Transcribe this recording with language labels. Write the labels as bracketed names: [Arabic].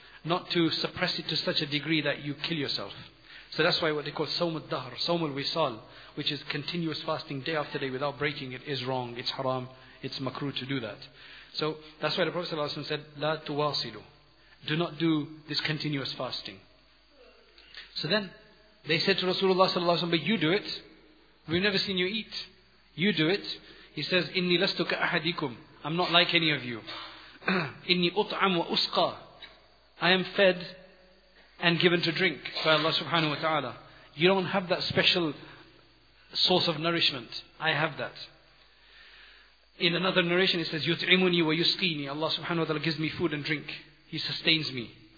[English] Not to suppress it to such a degree that you kill yourself. So that's why what they call Sawm al-Dahr, Sawm al-Wisal, which is continuous fasting day after day without breaking it, is wrong, it's haram, it's makruh to do that. So that's why the Prophet ﷺ said, [Arabic] لا تواصلوا. [English] Do not do this continuous fasting. So then, they said to Rasulullah ﷺ, but you do it. We've never seen you eat. You do it. He says, [Arabic] إِنِّي لَسْتُ كَأَحَدِكُمْ. [English] I'm not like any of you. [Arabic] إِنِّي أُطْعَمُ وَأُسْقَى. [English] I am fed and given to drink by Allah subhanahu wa ta'ala. You don't have that special source of nourishment. I have that. In another narration it says, [Arabic] يُطْعِمُنِي وَيُسْقِينِي. [English] Allah subhanahu wa ta'ala gives me food and drink. He sustains me.